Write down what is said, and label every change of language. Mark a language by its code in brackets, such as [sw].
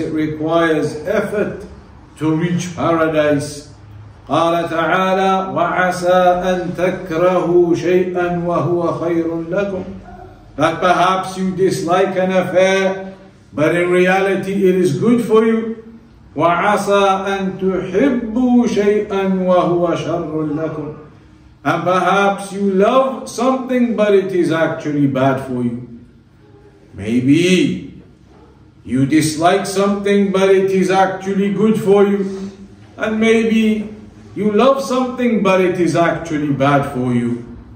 [en] It requires effort to reach paradise. [ar] قال تعالى وَعَسَىٰ أَن تَكْرَهُ شَيْئًا وَهُوَ خَيْرٌ لَكُمْ. [en] That perhaps you dislike an affair, but in reality it is good for you. [ar] وعسى أن تحبوا شيئا وهو شر لكم. [en] And perhaps you love something, but it is actually bad for you. Maybe you dislike something, but it is actually good for you. And maybe you love something, but it is actually bad for you.